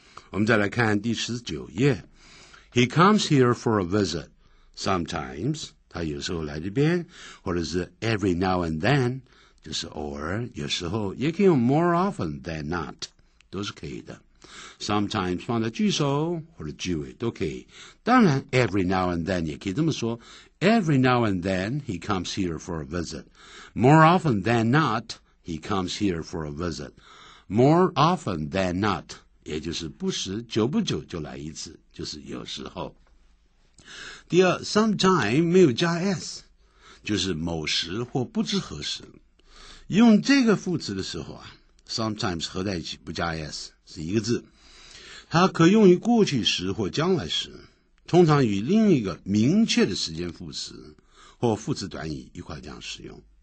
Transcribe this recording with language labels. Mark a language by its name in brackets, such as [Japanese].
[Chinese] 我们再来看第19页， [English] He comes here for a visitSometimes, [Chinese] 他有时候来这边，或者是 [English] every now and then, [Chinese] 就是偶尔，有时候，也可以用 [English] more often than not, [Chinese] 都是可以的。 Sometimes 放在句首或者句尾都可以。当然 [English] every now and then [Chinese] 也可以这么说， [English] every now and then he comes here for a visit. More often than not, he comes here for a visit. More often than not, [Chinese] 也就是不时，久不久就来一次，就是有时候。第二 sometime 没有加 s， 就是某时或不知何时。用这个副词的时候啊， sometimes 合在一起不加 s， 是一个字，它可用于过去时或将来时，通常与另一个明确的时间副词或副词短语一块这样使用。